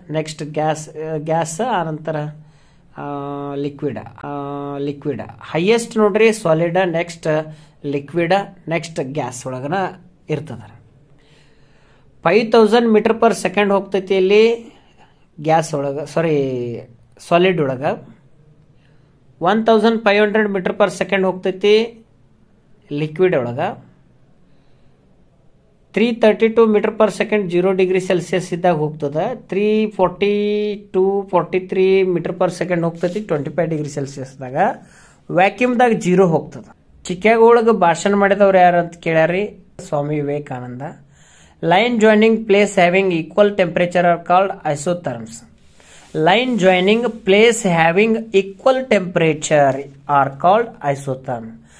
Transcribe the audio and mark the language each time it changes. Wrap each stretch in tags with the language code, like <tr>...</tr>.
<kn>Next gas ಆನಂತರ liquid highest ನೋಡ್ರಿ, solid, next liquid, next gas ಒಳಗನ ಇರ್ತದ. 5000</kn> <en>meters per second</en> <kn>ಹೋಗ್ತೈತಿ ಇಲ್ಲಿ ಗ್ಯಾಸ್ ಒಳಗೆ, ಸಾರಿ ಸಾಲಿಡ್ ಒಳಗೆ. 1500</kn> <en>meters per second</en> <kn>ಹೋಗ್ತೈತಿ ಲಿಕ್ವಿಡ್ ಒಳಗೆ. 332</kn> <en>meters per second</en> <kn>0°C ಇದ್ದಾಗ ಹೋಗ್ತದೆ. 342-43</kn> <en>meters per second</en> <kn>ಹೋಗ್ತೈತಿ 25°C. ವ್ಯಾಕ್ಯೂಮ್ದಾಗ 0 ಹೋಗ್ತದೆ. ಚಿಕ್ಕಾಗೊಳಗೆ ಭಾಷಣ ಮಾಡಿದವ್ರು ಯಾರು ಅಂತ ಕೇಳ್ಯಾರಿ? Swami Vivekananda.</kn> <en>Line joining place having equal temperature are called isotherms. Line joining place having equal temperature are called isotherm.</en>